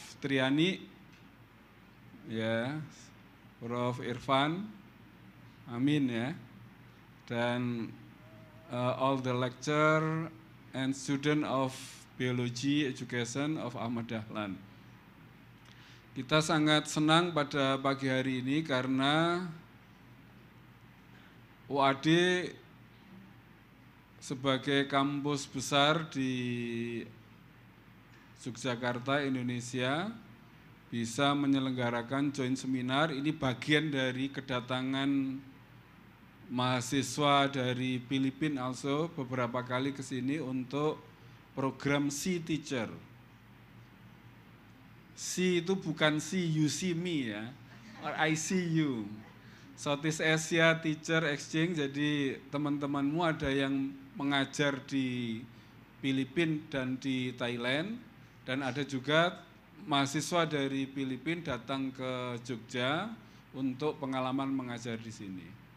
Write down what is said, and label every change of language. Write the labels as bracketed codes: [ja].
[en] Triani, yeah, Prof. Irfan, Amin ya, yeah, dan all the lecturer and student of biology education of Ahmad Dahlan. [id] Kita sangat senang pada pagi hari ini karena UAD sebagai kampus besar di Yogyakarta, Indonesia, bisa menyelenggarakan joint seminar. Ini bagian dari kedatangan mahasiswa dari Filipina also beberapa kali ke sini untuk program Sea Teacher. [en] See [id] itu bukan [en] see you see me ya, or I see you. [id] Southeast Asia Teacher Exchange, jadi teman-temanmu ada yang mengajar di Filipina dan di Thailand, dan ada juga mahasiswa dari Filipina datang ke Jogja untuk pengalaman mengajar di sini.